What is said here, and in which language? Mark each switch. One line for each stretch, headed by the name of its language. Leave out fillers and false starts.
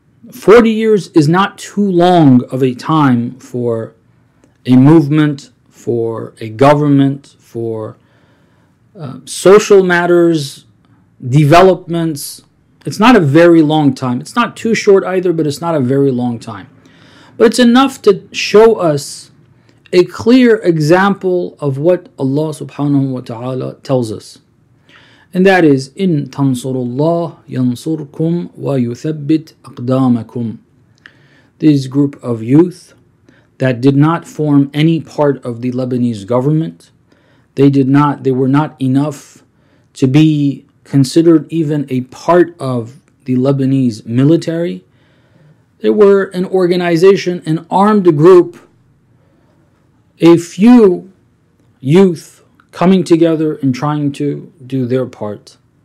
English: 40 years is not too long of a time for a movement, for a government, for social matters, developments. It's not a very long time. It's not too short either, but it's not a very long time. But it's enough to show us a clear example of what Allah subhanahu wa ta'ala tells us. And that is,
Arabic: إِن تَنْصُرُ اللَّهِ يَنْصُرْكُمْ وَيُثَبِّتْ أَقْدَامَكُمْ.
English: This group of youth that did not form any part of the Lebanese government, they were not enough to be considered even a part of the Lebanese military. They were an organization, an armed group, a few youth coming together and trying to do their part.